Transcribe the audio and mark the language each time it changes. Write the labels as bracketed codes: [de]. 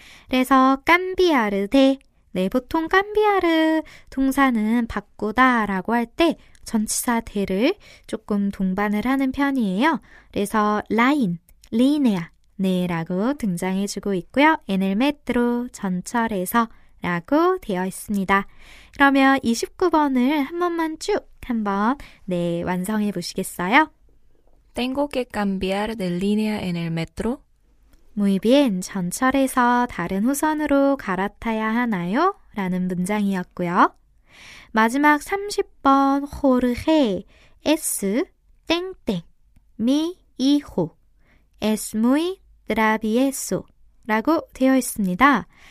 [ko] 그래서 깜비아르 대, 네, 보통 깜비아르 동사는 바꾸다 라고 할 때 전치사 대를 조금 동반을 하는 편이에요. 그래서 라인, 리네아, 네 라고 등장해주고 있고요. 엔엘 메트로, 전철에서 라고 되어 있습니다. 그러면 29번을 한 번만 쭉 한번 네 완성해 보시겠어요? [es] Tengo que cambiar de línea en el metro. Muy bien. [ko] 전철에서 다른 호선으로 갈아타야 하나요? 라는 문장이었고요. 마지막 30번 호르헤 S 땡땡 [es] mi hijo es muy travieso [ko] 라고 되어 있습니다.